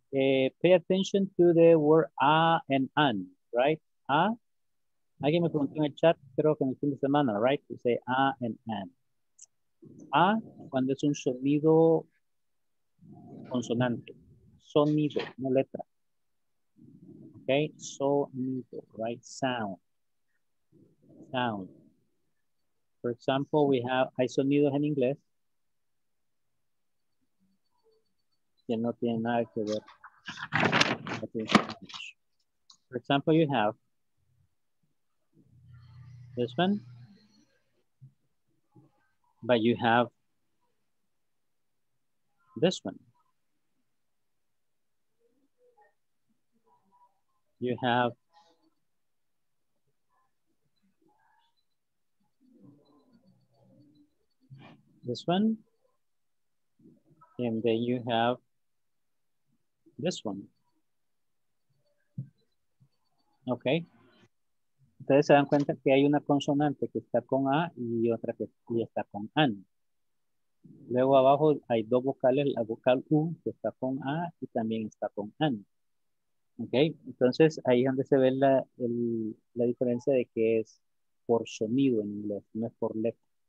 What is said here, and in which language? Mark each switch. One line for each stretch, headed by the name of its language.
English: Pay attention to the word a and an, right? A.
Spanish: Alguien me preguntó en el chat, creo que en el fin de semana, right?
English: You say a and an.
Spanish: A, cuando es un sonido consonante. Sonido, no letra. Okay, sonido, right?
English: Sound. For example, we have
Spanish: hay sonidos en inglés que no tienen nada que ver.
English: For example, you have this one, but you have this one. You have this one, and then you have this one. Okay.
Spanish: Ustedes se dan cuenta que hay una consonante que está con A y otra que está con AN. Luego abajo hay dos vocales, la vocal U que está con A y también está con AN. Ok, entonces ahí es donde se ve la diferencia de que es por sonido en inglés, no es por letra.